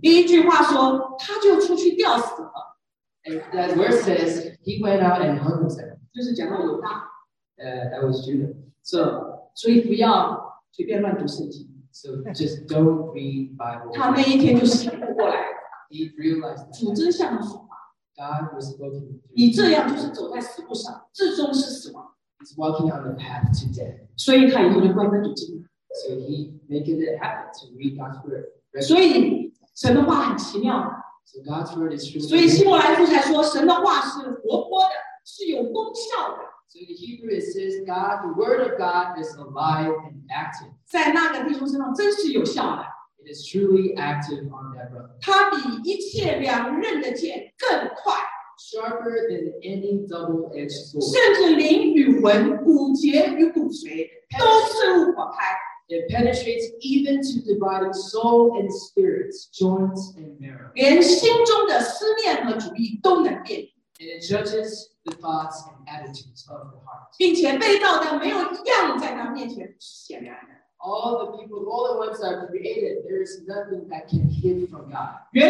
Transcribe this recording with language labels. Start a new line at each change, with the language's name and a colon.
Chinese: 第一句话说，他就出去吊死了。
English: And that word says he went out and hung himself.
Chinese: 就是讲到犹大。
English: That was Judah.
Chinese: So 不要随便乱读圣经。
English: So just don't read Bible.
Chinese: 他那一天就醒悟过来。
English: He realized.
Chinese: 主真向他说话。
English: God was spoken.
Chinese: 你这样就是走在死路上，最终是死亡。
English: He's walking on the path to death.
Chinese: 所以他以后就乖乖读经。
English: So he made it a habit to read God's word.
Chinese: 所以神的话很奇妙。
English: So So God's word is true.
Chinese: 所以希伯来书才说, 神的话是活泼的, 是有功效的。
English: So the Hebrew it says, God, the word of God is alive and active.
Chinese: 在那个弟兄身上真是有效的。
English: It is truly active on that brother.
Chinese: 它比一切两刃的剑更快。
English: Sharper than any double-edged sword.
Chinese: 甚至灵与魂、骨节与骨髓都是无法开。
English: It penetrates even to dividing soul and spirits, joints and marrow.
Chinese: 连心中的思念和主意都能辨。
English: And it judges the thoughts and attitudes of the heart.
Chinese: 并且被造的没有一样在他面前显然的。
English: All the people, all the ones that are created, there is nothing that can hide from God.